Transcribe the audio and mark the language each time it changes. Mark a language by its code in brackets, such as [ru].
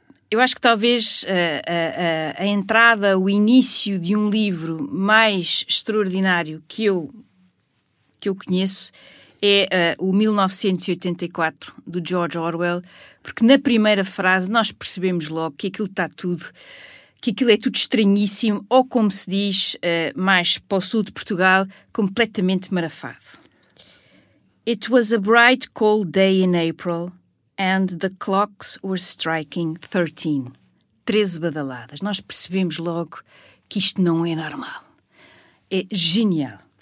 [pt] Eu acho que talvez a entrada, o início de um livro mais extraordinário que eu conheço é o 1984, do George Orwell, porque na primeira frase nós percebemos logo que aquilo está tudo, que aquilo é tudo estranhíssimo, ou como se diz mais para o sul de Portugal, completamente marafado. [en] It was a bright cold day in April and the clocks were striking 13. [pt] 13 badaladas. Nós percebemos logo que isto não é normal. É genial.